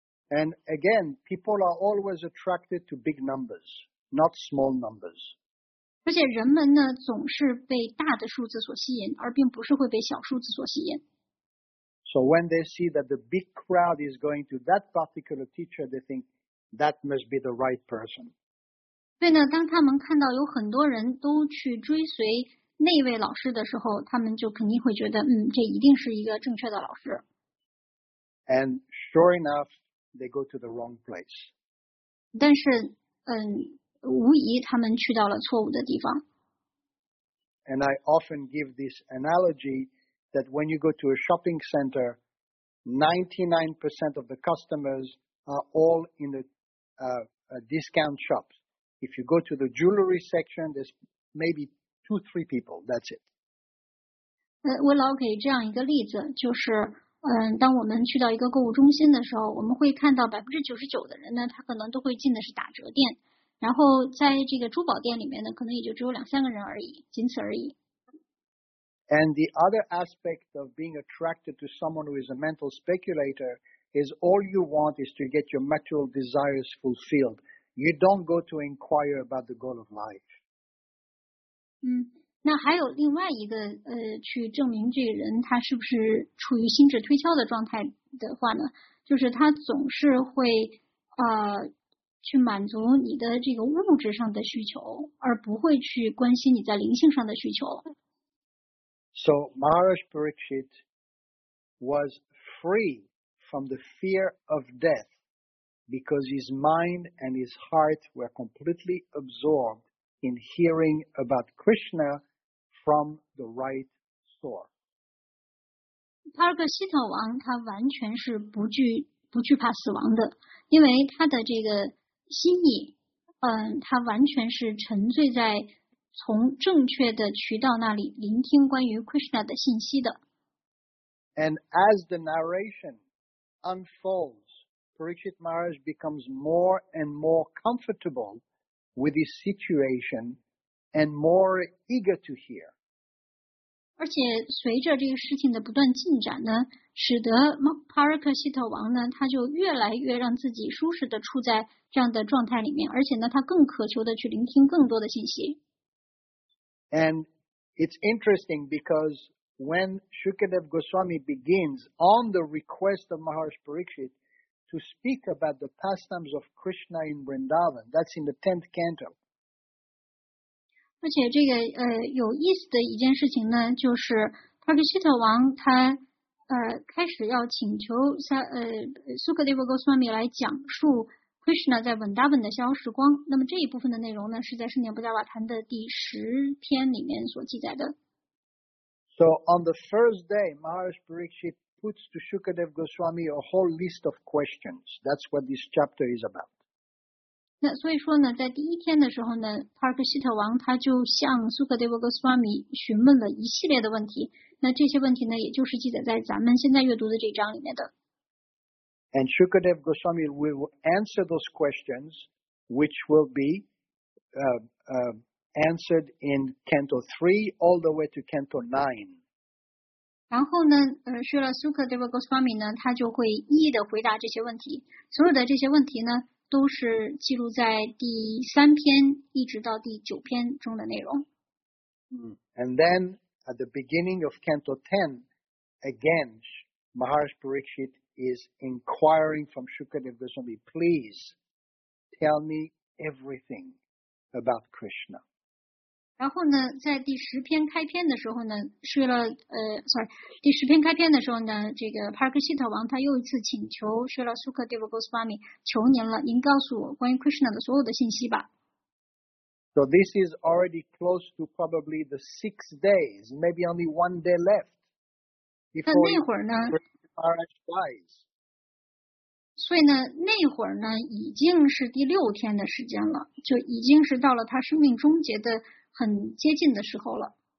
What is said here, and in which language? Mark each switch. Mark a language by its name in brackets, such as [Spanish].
[English] And again, people are always attracted to big numbers, not small numbers. [Chinese] 而且人们呢总是被大的数字所吸引，而并不是会被小数字所吸引。 [English] So when they see that the big crowd is going to that particular teacher, they think that must be the right person. [Chinese] 所以呢，当他们看到有很多人都去追随那位老师的时候，他们就肯定会觉得，这一定是一个正确的老师。 [English] And sure enough, they go to the wrong place. [Chinese] 但是，无疑他们去到了错误的地方。 [English] And I often give this analogy. That when you go to a shopping center, 99% of the customers are all in a discount shop. If you go to the jewelry section, there's maybe 2-3 people. That's it. [Chinese] 我老给这样一个例子，就是当我们去到一个购物中心的时候，我们会看到99%的人呢，他可能都会进的是打折店。然后在这个珠宝店里面呢，可能也就只有2-3个人而已，仅此而已。 [English] And the other aspect of being attracted to someone who is a mental speculator is all you want is to get your material desires fulfilled. You don't go to inquire about the goal of life. [Chinese] 那还有另外一个去证明这个人他是不是处于心智推敲的状态的话呢，就是他总是会去满足你的这个物质上的需求，而不会去关心你在灵性上的需求。 [English] So Maharaj Parikshit was free from the fear of death because his mind and his heart were completely absorbed in hearing about Krishna from the right source. [Chinese] Parikshita 王他完全是不惧怕死亡的，因为他的这个心意，他完全是沉醉在从正确的渠道那里聆听关于 Krishna 的信息的。 [English] And as the narration unfolds, Parikshit Maharaj becomes more and more comfortable with his situation and more eager to hear. [Chinese] 而且随着这个事情的不断进展呢，使得 Parikshita 王呢，他就越来越让自己舒适的处在这样的状态里面，而且呢，他更渴求的去聆听更多的信息。 [English] And it's interesting because when Shukadev Goswami begins on the request of Maharaj Parikshit to speak about the pastimes of Krishna in Vrindavan, that's in the 10th canto. [Chinese] 而且这个有意思的一件事情呢，就是 Parikshit 王他开始要请求Shukadev Goswami 来讲述 Krishna 在 Vrindavan 的逍遥时光。那么这一部分的内容呢，是在圣严布加瓦坛的第十篇里面所记载的。 [English] So on the first day, Maharaj Parikshit puts to Shukadev Goswami a whole list of questions. That's what this chapter is about. [Chinese] 那所以说呢，在第一天的时候呢 ，Parikshita 王他就向 Shukadev Goswami 询问了一系列的问题。那这些问题呢，也就是记载在咱们现在阅读的这一章里面的。 [English] And Shukadev Goswami will answer those questions, which will be answered in Canto 3 all the way to Canto 9. [Chinese] 然后呢，是了 Shukadev Goswami 呢，他就会一一的回答这些问题。所有的这些问题呢，都是记录在第三篇一直到第九篇中的内容。 [English] And then at the beginning of Canto 10, again, Maharaj Parikshit is inquiring from Shukadev Goswami, please tell me everything about Krishna. [Chinese] 然后呢，在第十篇开篇的时候呢，第十篇开篇的时候呢，这个 Parikshita 王他又一次请求Srila Shukadeva Goswami, 求您了，您告诉我关于 Krishna 的所有的信息吧。 [English] So this is already close to probably the 6 days, maybe only one day left. [Chinese] 但那会儿呢 [English] ，Maharaj dies. [Chinese] 所以呢，那会儿呢，已经是第六天的时间了，就已经是到了他生命终结的很接近的时候了。